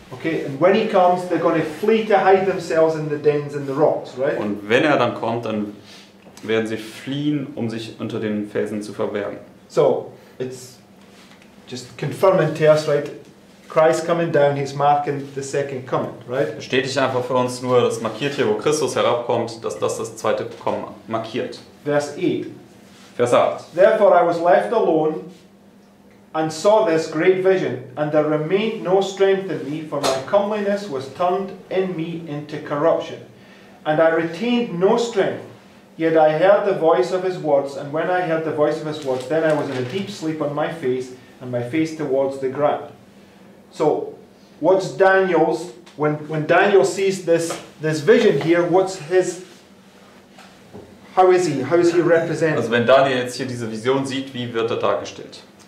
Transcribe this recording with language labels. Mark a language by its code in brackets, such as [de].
[en] Okay, and when he comes, they're going to flee to hide themselves in the dens and the rocks, right? [de] Und wenn er dann kommt, dann werden sie fliehen, um sich unter den Felsen zu verbergen. [en] So it's just confirming to us, right? Christ coming down, he's marking the second coming, right? [de] Bestätigt einfach für uns nur, das markiert hier, wo Christus herabkommt, dass das zweite Kommen markiert. Vers 8. [en] Therefore I was left alone and saw this great vision, and there remained no strength in me, for my comeliness was turned in me into corruption. And I retained no strength, yet I heard the voice of his words, and when I heard the voice of his words, then I was in a deep sleep on my face, and my face towards the ground. So, what's Daniel's, when Daniel sees this vision here, what's his, how is he represented? [de] Also wenn Daniel jetzt hier diese Vision sieht, wie wird er dargestellt?